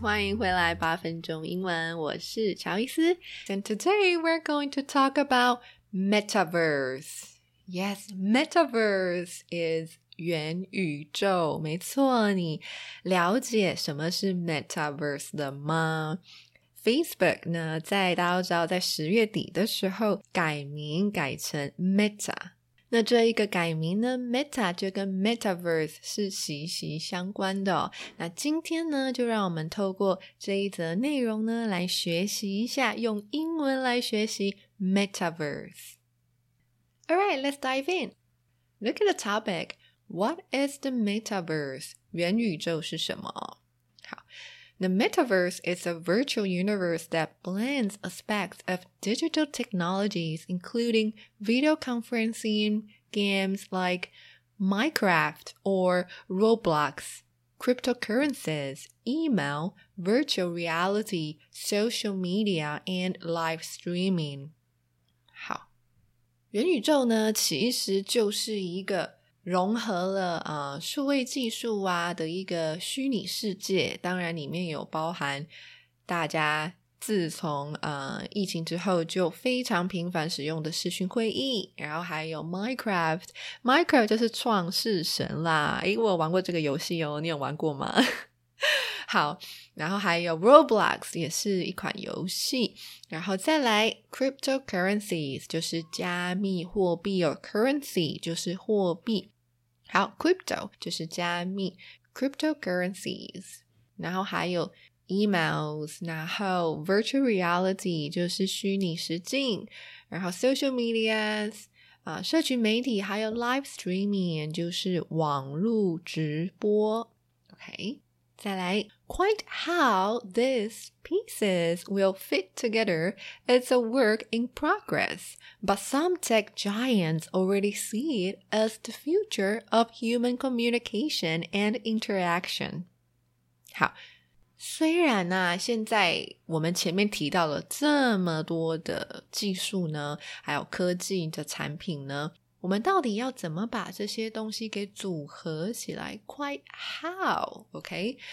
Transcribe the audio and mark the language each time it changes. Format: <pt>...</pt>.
<zh>欢迎回来八分钟英文，我是乔伊斯。</zh> <en>And today we're going to talk about Metaverse. Yes, Metaverse is 元宇宙。</en> <zh>没错，你了解什么是 Metaverse 的吗？ Facebook 呢，在大家知道在十月底的时候改名改成 Meta。那这一个改名呢 ,Meta 就跟 Metaverse 是息息相关的哦。那今天呢就让我们透过这一则内容呢来学习一下用英文来学习 Metaverse。</zh> <en>Alright, let's dive in. Look at the topic. What is the Metaverse?</en> <zh>元宇宙是什么？好。</zh> <en>The Metaverse is a virtual universe that blends aspects of digital technologies, including video conferencing, games like Minecraft or Roblox, cryptocurrencies, email, virtual reality, social media, and live streaming.</en> <zh>好，元宇宙呢，其实就是一个融合了数位技术啊的一个虚拟世界，当然里面有包含大家自从疫情之后就非常频繁使用的视讯会议，然后还有 Minecraft 就是创世神啦，诶，我有玩过这个游戏哦，你有玩过吗？好，然后还有 Roblox 也是一款游戏，然后再来 Cryptocurrencies 就是加密货币哦， Currency 就是货币，好 Crypto 就是加密 Cryptocurrencies， 然后还有 Emails， 然后 Virtual Reality 就是虚拟实境，然后 Social Medias 社群媒体，还有 Live Streaming 就是网路直播， OK。再来</zh> <en>,quite how these pieces will fit together is a work in progress, but some tech giants already see it as the future of human communication and interaction.</en> <zh>好，虽然呢，现在我们前面提到了这么多的技术呢，还有科技的产品呢，我们到底要怎么把这些东西给组合起来 ?</zh> <en>Quite how? OK?</en>